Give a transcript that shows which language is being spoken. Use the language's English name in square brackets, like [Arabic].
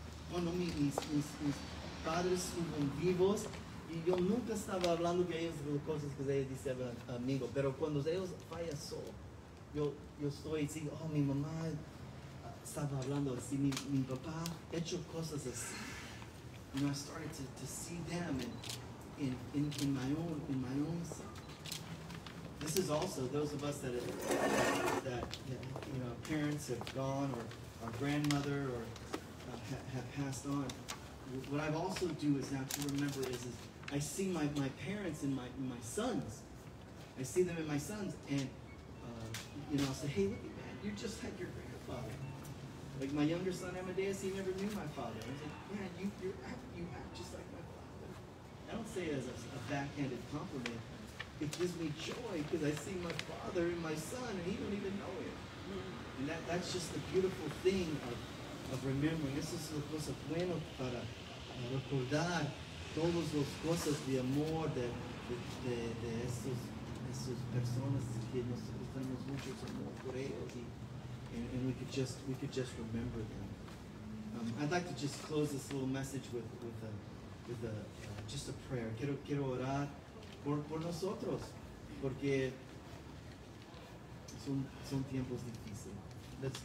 [Spanish] Cuando mis padres siguen vivos, y yo nunca estaba hablando que ellos de cosas que ellos dicen amigo, pero cuando ellos falleció, yo estoy así, oh, mi mamá estaba hablando así, mi papá hecho cosas así. [English] You know, I started to see them in my own self. This is also those of us that you know, parents have gone, or our grandmother, or have passed on. What I've also do is now to remember is I see my parents and my sons. I see them in my sons, and you know, I'll say, hey, look at that, you're just like your grandfather. Like my younger son Amadeus, he never knew my father. I was like, man, you act just like my father. I don't say it as a backhanded compliment. It gives me joy because I see my father and my son, and he don't even know it. And that's just the beautiful thing of remembering. [Spanish] Eso es lo cosa bueno para recordar todos los cosas de amor de esos personas que nosotros tenemos mucho amor por ellos. [English] And we could just remember them. I'd like to just close this little message with just a prayer. [Spanish] Quiero orar por nosotros, porque son tiempos difíciles.